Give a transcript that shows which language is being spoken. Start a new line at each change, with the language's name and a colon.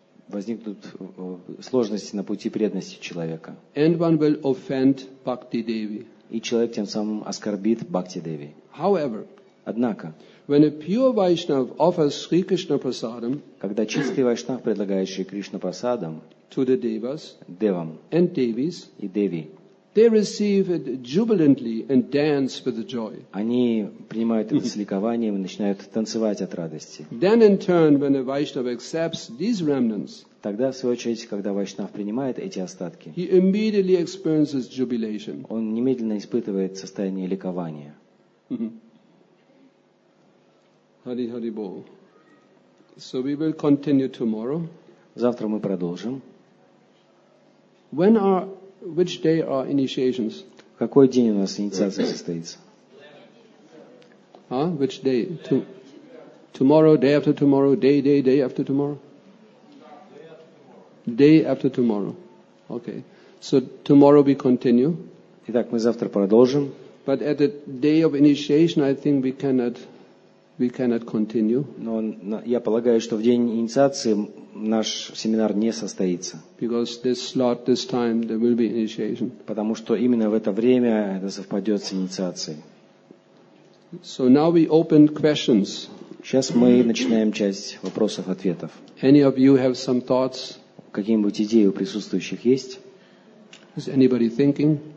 Russian: возникнут сложности на пути преданности человека.
English: And one will offend Bhakti Devi.
Russian: И человек тем самым оскорбит Бхакти Деви.
English: However,
Russian: однако,
English: when a pure Vaishnav offers Shri Krishna Prasadam,
Russian: когда чистый вайшнав предлагает Шри Кришна Прасадам,
English: to the devas,
Russian: devam,
English: and devis,
Russian: и деви,
English: they receive it jubilantly and dance with the joy.
Russian: Они принимают это с ликованием и начинают танцевать от радости.
English: Then in turn, when a Vaishnav accepts these remnants,
Russian: тогда, в свою очередь, когда вайшнав принимает эти остатки,
English: he immediately experiences jubilation.
Russian: Он немедленно испытывает состояние ликования.
English: Hari Hari Bol. So we will continue tomorrow.
Russian: Завтра мы продолжим.
English: When are, which day are initiations?
Russian: Какой день у нас инициация состоится?
English: Which day? Tomorrow, day after tomorrow, day after tomorrow? Day after tomorrow. Okay. So tomorrow we continue.
Russian: Итак, мы завтра продолжим.
English: But at the day of initiation, I think we cannot continue.
Russian: Но я полагаю, что в день инициации наш семинар не состоится.
English: Because this slot, this time, there will be initiation.
Russian: Потому что именно в это время это совпадет с инициацией.
English: So now we open questions.
Russian: Сейчас мы начинаем часть вопросов-ответов.
English: Any of you have some thoughts?
Russian: Какие-нибудь идеи у присутствующих есть?
English: Is anybody thinking?